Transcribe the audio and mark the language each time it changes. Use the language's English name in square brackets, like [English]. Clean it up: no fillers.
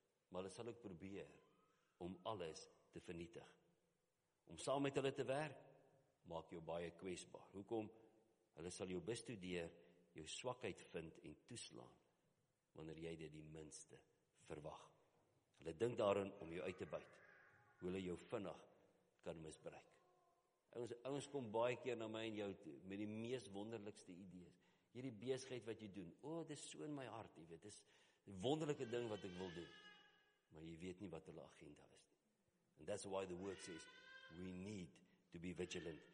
[Afrikaans] Maar hulle sal ook probeer om alles te vernietig. Om saam met hulle te werk, maak jou baie kwesbaar. Hoekom? Hulle sal jou bestudeer, jou swakheid vind en toeslaan, wanneer jy dit die minste verwag. Hulle dink daarin om jou uit te buit, hoe hulle jou vinnig kan misbruik. Ouens kom baie keer na my en jou toe, met die mees wonderlikste idees. Hierdie besigheid wat jy doen, dis so in my hart, jy weet, dis die wonderlike ding wat ek wil doen. Maar jy weet nie wat hulle agenda is. [English] And that's why the word says, we need to be vigilant.